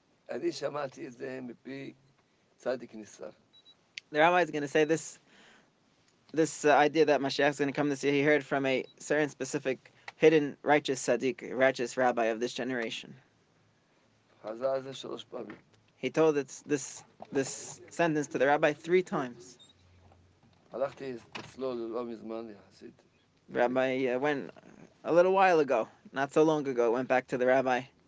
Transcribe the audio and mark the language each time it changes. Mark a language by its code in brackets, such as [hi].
[he] אני שמעתי את זה מפי צדיק ניסר. [en] The rabbi is going to say this idea that Mashiach is going to come this year, he heard from a certain specific hidden righteous tzaddik, righteous rabbi of this generation. [he] חזר זה שלוש פעמים. [en] He told this sentence to the rabbi three times. [he] הלכתי אצלו לא מזמן יחסית. [en] Rabbi went a little while ago, not so long ago, went back to the rabbi.